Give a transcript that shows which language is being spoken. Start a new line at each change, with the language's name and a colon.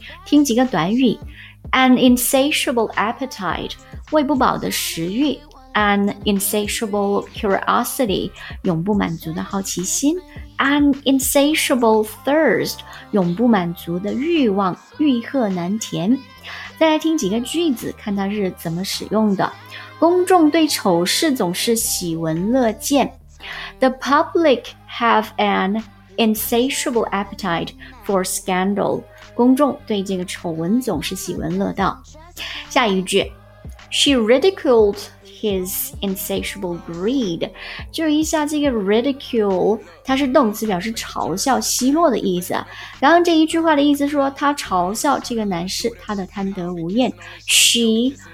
Chinese: 听几个短语，
English: An insatiable appetite,
Chinese: 胃不饱的食欲，
English: An insatiable curiosity,
Chinese: 永不满足的好奇心，
English: An insatiable thirst,
Chinese: 永不满足的欲望，欲壑难填。再来听几个句子，看它是怎么使用的。公众对丑事总是喜闻乐见。
English: The public have an insatiable appetite for scandal.
Chinese: 公众对这个丑闻总是喜闻乐道。下一句，
English: She ridiculed his insatiable greed.
Chinese: 注意一下这个 ridicule, 它是动词表示嘲笑奚落的意思。刚刚这一句话的意思说，他嘲笑这个男士他的贪得无厌。She